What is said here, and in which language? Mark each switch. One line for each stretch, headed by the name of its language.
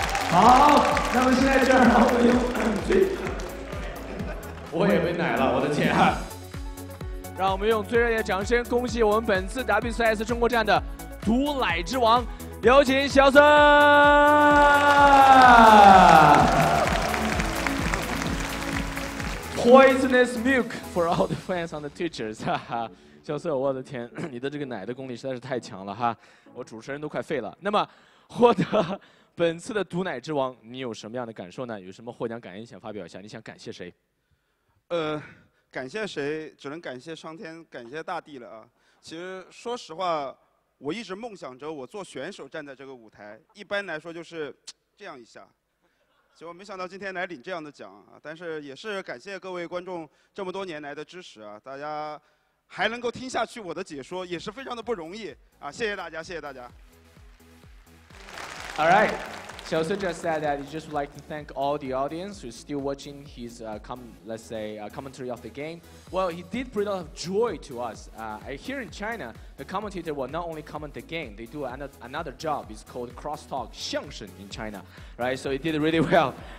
Chinese: 好，那么现在这儿我们用最，我也被奶了，我的天啊！让我们用最热烈的掌声恭喜我们本次 WCS 中国站的毒奶之王，有请小森。
English: Poisonous milk for all the fans and the teachers.
Chinese: 哈哈，小瑟，我的天，你的这个奶的功力实在是太强了哈，我主持人都快废了。那么，获得本次的毒奶之王，你有什么样的感受呢？有什么获奖感言想发表一下？你想感谢谁？感谢谁？只能感谢上天，感谢大地了啊！其实说实话，我一直梦想着我做选手站在这个舞台，一般来说就是这样一下。结果没想到今天来领这样的奖啊，但是也是感谢各位观众这么多年来的支持啊，大家还能够听下去我的解说也是非常的不容易啊，谢谢大家，谢谢大家。
English: All right, Xiaosu just said that he just would like to thank all the audience who's still watching his commentary of the game. Well, he did bring a lot of joy to us. Here in China, the commentator will not only comment the game, they do another job. It's called crosstalk 相声 in China, right? So he did really well.